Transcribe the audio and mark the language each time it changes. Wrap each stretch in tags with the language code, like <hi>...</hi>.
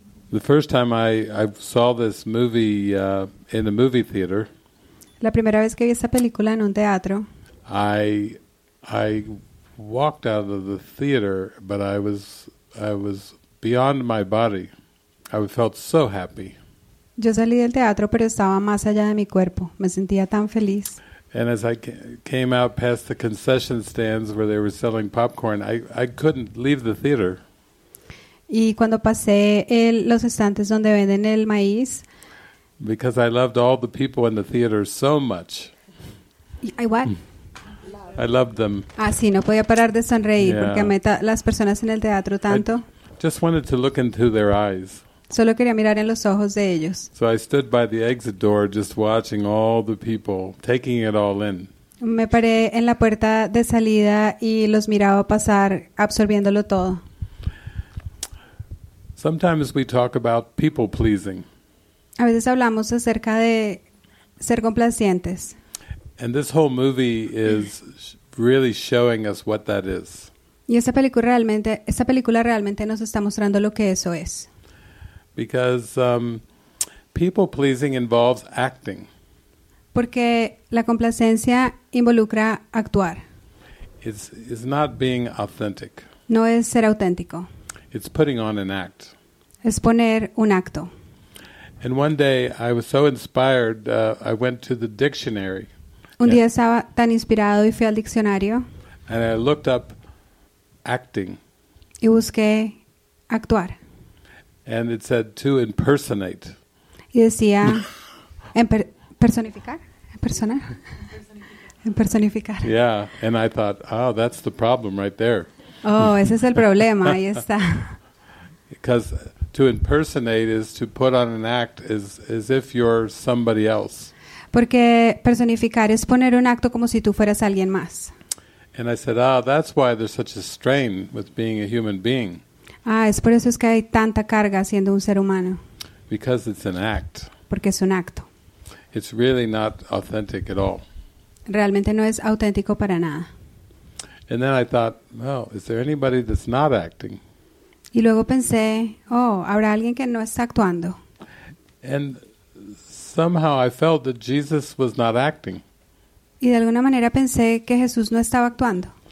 <en>The first time I saw this movie in a movie theater.</en> <es>La primera vez que vi esta película en un teatro.</es> <en>I walked out of the theater, but I was beyond my body. I felt so happy.</en> <es>Yo salí del teatro, pero estaba más allá de mi cuerpo. Me sentía tan feliz.</es> <en>And as I came out past the concession stands where they were selling popcorn, I couldn't leave the theater.</en> <es>Y cuando pasé los estantes donde venden el maíz.</es> <en>Because I loved all the people in the theater so much. I loved them.</en> <es>Ah, sí, no podía parar de sonreír porque amé las personas en el teatro tanto.</es> <en>I just wanted to look into their eyes.</en> <es>Solo quería mirar en los ojos de ellos.</es> <en>So I stood by the exit door just watching all the people taking it all in.</en> <es>Me paré en la puerta de salida y los miraba pasar absorbiéndolo todo.</es> <en>Sometimes we talk about people pleasing.</en> <es>A veces hablamos acerca de ser complacientes.</es> <en>And this whole movie is really showing us what that is.</en> <es>Y esta película realmente nos está mostrando lo que eso es.</es> <en>Because people pleasing involves acting.</en> <es>Porque la complacencia involucra actuar.</es> <en>It's not being authentic.</en> <es>No es ser auténtico.</es> <en>It's putting on an act.</en> <es>Es poner un acto.</es> <en>And one day I was so inspired, I went to the dictionary.</en> <es>Un día estaba tan inspirado y fui al diccionario.</es> <en>And I looked up acting.</en> <es>Y busqué actuar.</es> <en>And it said to impersonate.</en> <es>Y decía personificar. Persona. Personificar.</es> <en>Yeah, and I thought, oh, that's the problem right there.</en> <es>Oh, ese es el problema, ahí está.</es> <en>Because to impersonate is to put on an act as if you're somebody else.</en> <es>Porque personificar es poner un acto como si tú fueras alguien más.</es> <en>And I said, that's why there's such a strain with being a human being.</en> <es>Ah, es por eso es que hay tanta carga siendo un ser humano.</es> <en>Because it's an act.</en> <es>Porque es un acto.</es> <en>It's really not authentic at all.</en> <es>Realmente no es auténtico para nada.</es> <en>And then I thought, is there anybody that's not acting?</en> <es>Y luego pensé, ¿habrá alguien que no está actuando?</es> <en>And somehow I felt that Jesus was not acting.</en> <es>Y de alguna manera pensé que Jesús no estaba actuando.</es>